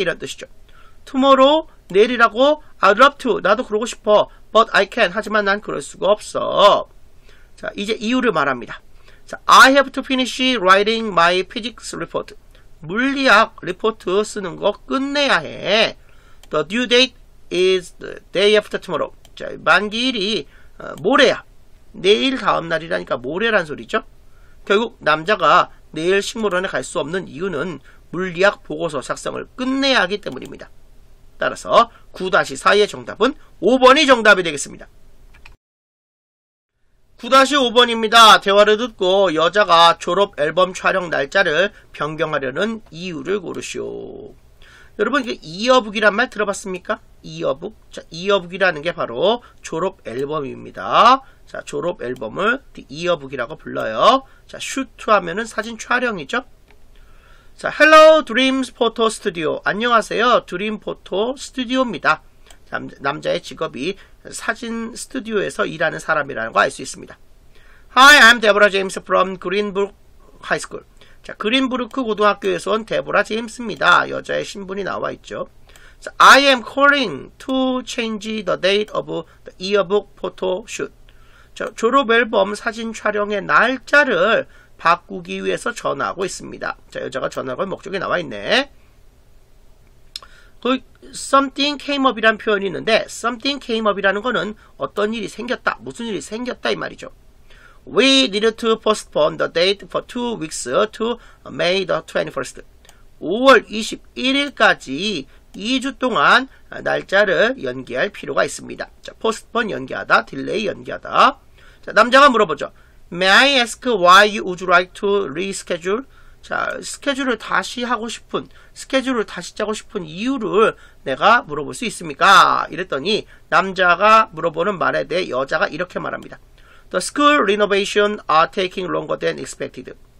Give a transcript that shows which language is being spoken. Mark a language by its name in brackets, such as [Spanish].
[Korean] 이런 뜻이죠. [English] Tomorrow, [Korean] 내일이라고 [English] I'd love to. [Korean] 나도 그러고 싶어. [English] But I can't. [Korean] 하지만 난 그럴 수가 없어. 자, 이제 이유를 말합니다. [English] 자, I have to finish writing my physics report. [Korean] 물리학 리포트 쓰는 거 끝내야 해. [English] The due date is the day after tomorrow. [Korean] 자, 만기일이 모레야. 내일 다음 날이라니까 모레란 소리죠. 결국 남자가 내일 식물원에 갈 수 없는 이유는 물리학 보고서 작성을 끝내야 하기 때문입니다. 따라서 9-4의 정답은 5번이 정답이 되겠습니다. 9-5번입니다. 대화를 듣고 여자가 졸업 앨범 촬영 날짜를 변경하려는 이유를 고르시오. 여러분, 이게 이어북이란 말 들어봤습니까? 이어북. 자, 이어북이라는 게 바로 졸업 앨범입니다. 자, 졸업 앨범을 이어북이라고 불러요. 자, 슈트 하면은 사진 촬영이죠. 자, Hello Dreams Photo Studio. 안녕하세요. Dream Photo Studio입니다. 남자의 직업이 사진 스튜디오에서 일하는 사람이라는 거 알 수 있습니다. [English] Hi, I'm Deborah James from Greenbrook High School. [Korean] 자, 그린브루크 고등학교에서 온 데보라 제임스입니다. 여자의 신분이 나와 있죠. [English] So, I am calling to change the date of the yearbook photo shoot. [Korean] 자, 졸업 앨범 사진 촬영의 날짜를 바꾸기 위해서 전화하고 있습니다. 자, 여자가 전화할 걸 목적이 나와 있네. 그 [English] something came up [Korean] 이란 표현이 있는데 something came up 이라는 거는 어떤 일이 생겼다, 무슨 일이 생겼다 이 말이죠. [English] We needed to postpone the date for 2 weeks to May the 21st. [Korean] 5월 21일까지 2주 동안 날짜를 연기할 필요가 있습니다. 자, postpone 연기하다, delay 연기하다. 자, 남자가 물어보죠. [English] May I ask why you would like to reschedule? [Korean] 자, 스케줄을 다시 하고 싶은, 스케줄을 다시 짜고 싶은 이유를 내가 물어볼 수 있습니까? 이랬더니 남자가 물어보는 말에 대해 여자가 이렇게 말합니다. [English] The school renovation are taking longer than expected.